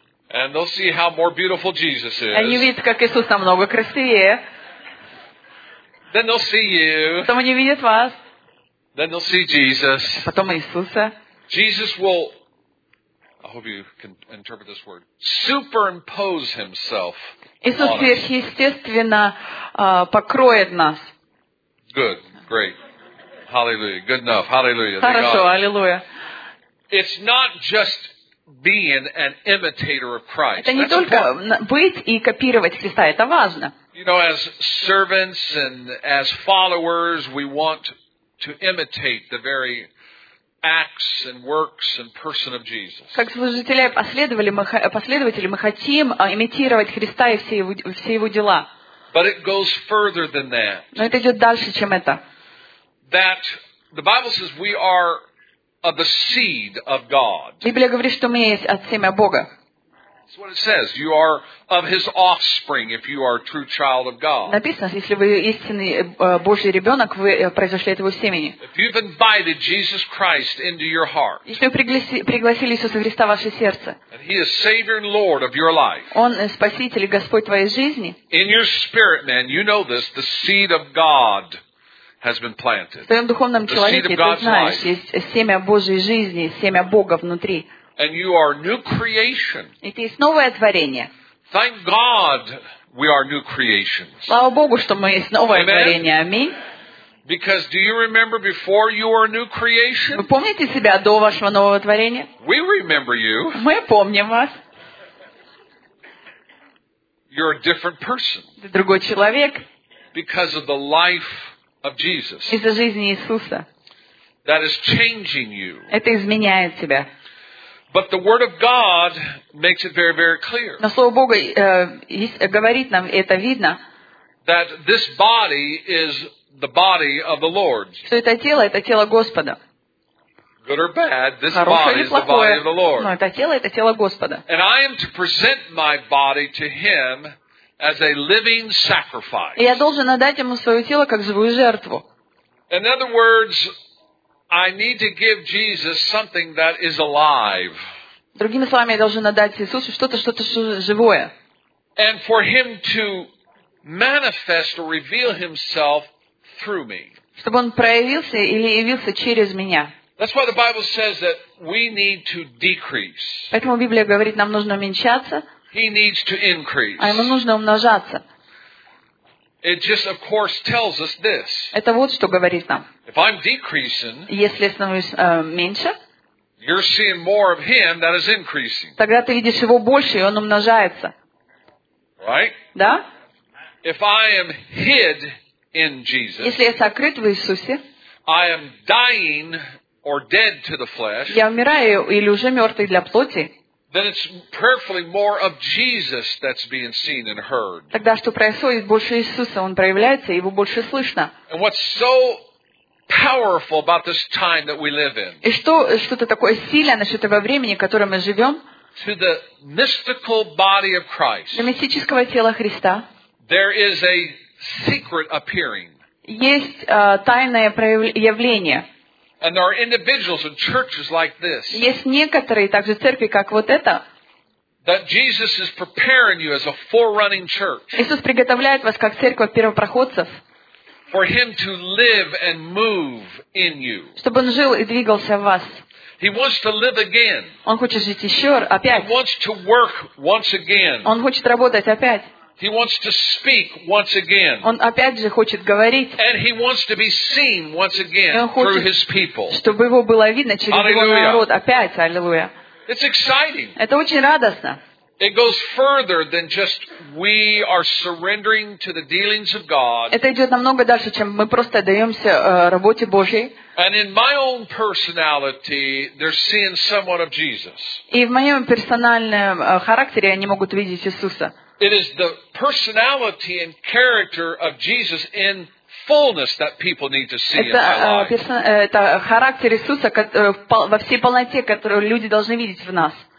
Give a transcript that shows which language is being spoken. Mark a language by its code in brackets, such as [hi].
[en] And they'll see how more beautiful Jesus is. [ru] Они увидят, как Иисус намного красивее. [en] Then they'll see you. [ru] Потом они увидят вас. [en] Then they'll see Jesus. [ru] Потом Иисуса. [en] Jesus will, I hope you can interpret this word, superimpose himself. [ru] Иисус сверхъестественно покроет нас. [en] Good, great. Hallelujah. Good enough. Hallelujah. [ru] Хорошо, аллилуйя. [en] It's not just being an imitator of Christ. [ru] Это не только быть и копировать Христа, это важно. [en] You know, as servants and as followers, we want to imitate the very acts and works and person of Jesus. [ru] Как служители и последователи, мы хотим имитировать Христа и все его дела. [en] But it goes further than that. [ru] Но это идёт дальше, чем это. [en] That the Bible says we are of the seed of God. [ru] Библия говорит, что мы есть от семя Бога. [en] That's what it says. You are of his offspring if you are a true child of God. [ru] Написано, если вы истинный Божий ребёнок, вы произошли от его семени. [en] If you've invited Jesus Christ into your heart. [ru] Если вы пригласили Иисуса Христа в ваше сердце. [en] And he is Savior and Lord of your life. [ru] Он спаситель и Господь твоей жизни. [en] In your spirit, man, you know this, the seed of God has been planted. [ru] В твоём духовном человеке ты знаешь, есть семя Божьей жизни, семя Бога внутри. [en] And you are new creation. [ru] Это есть новое творение. [en] Thank God we are new creations. [ru] Слава Богу, что мы есть новое творение. Аминь. [en] Because do you remember before you were a new creation? [ru] Вы помните себя до вашего нового творения? [en] We remember you. [ru] Мы помним вас. [en] You're a different person. [ru] Ты другой человек. [en] Because of the life of Jesus. [ru] Из-за жизни Иисуса. [en] That is changing you. [ru] Это изменяет тебя. [en] But the word of God makes it very, very clear. [ru] Но слово Бога говорит нам, это видно. [en] That this body is the body of the Lord. [ru] Что это тело Господа. [en] Good or bad, this body is the body of the Lord. [ru] Но это тело Господа. [en] And I am to present my body to him as a living sacrifice. [ru] Я должен отдать ему своё тело как живую жертву. [en] In other words, I need to give Jesus something that is alive. [ru] Другими словами, я должен отдать Иисусу что-то живое. [en] And for him to manifest or reveal himself through me. [ru] Чтобы он проявился или явился через меня. [en] That's why the Bible says that we need to decrease. [ru] Поэтому Библия говорит, нам нужно уменьшаться. [en] He needs to increase. [ru] А ему нужно умножаться. [en] It just of course tells us this. [ru] Это вот что говорит нам. [en] If I'm decreasing, [ru] если я становлюсь меньше, [en] you're seeing more of him that is increasing. [ru] Тогда ты видишь его больше, и он умножается. [en] Right? [ru] Да? [en] If I am hid in Jesus, [ru] если я сокрыт в Иисусе, [en] I am dying or dead to the flesh, [ru] я умираю или уже мертвый для плоти, [en] then it's prayerfully more of Jesus that's being seen and heard. [ru] Тогда что происходит, больше Иисуса, Он проявляется, Его больше слышно. [en] And what's so powerful about this time that we live in? [ru] И что-то такое сильное насчет этого времени, в котором мы живем? [en] To the mystical body of Christ. [ru] Для мистического тела Христа. [en] There is a secret appearing. [ru] Есть тайное явление. [en] And there are individuals and churches like this. [ru] Есть некоторые также церкви, как вот это. [en] That Jesus is preparing you as a forerunning church. [ru] Иисус приготовляет вас как церковь первопроходцев. [en] For him to live and move in you. [ru] Чтобы он жил и двигался в вас. [en] He wants to live again. [ru] Он хочет жить еще опять. [en] He wants to work once again. [ru] Он хочет работать опять. [en] He wants to speak once again. [ru] Он опять же хочет говорить. [en] And he wants to be seen once again through his people. [ru] Чтобы его было видно через его народ опять. Аллилуйя. [en] It's exciting. [ru] Это очень радостно. [en] It goes further than just we are surrendering to the dealings of God. [ru] Это идет намного дальше, чем мы просто отдаемся работе Божьей. [en] And in my own personality, they're seeing someone of Jesus. [ru] И в моем персональном характере они могут видеть Иисуса. [en] It is the personality and character of Jesus in fullness that people need to see in my life. [ru] Это характер Иисуса во всей полноте, которую люди должны видеть в нас.